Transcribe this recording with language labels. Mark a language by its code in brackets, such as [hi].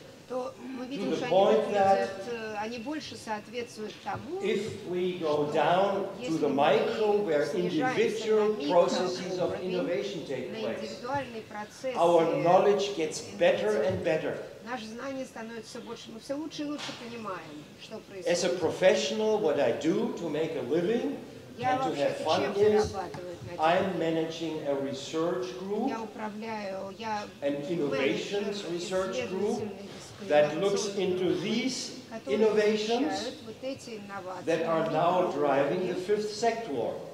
[ru] То мы видим, что они больше соответствуют тому, [en] if we go down to the micro, where individual processes of innovation take place, our knowledge gets better and better. [ru] Наше знание становится больше, мы все лучше и лучше понимаем, что происходит. [en] As a professional, what I do to make a living and to have fun is, I'm managing a research group, an innovation research group, that looks into these innovations that are now driving the fifth sector.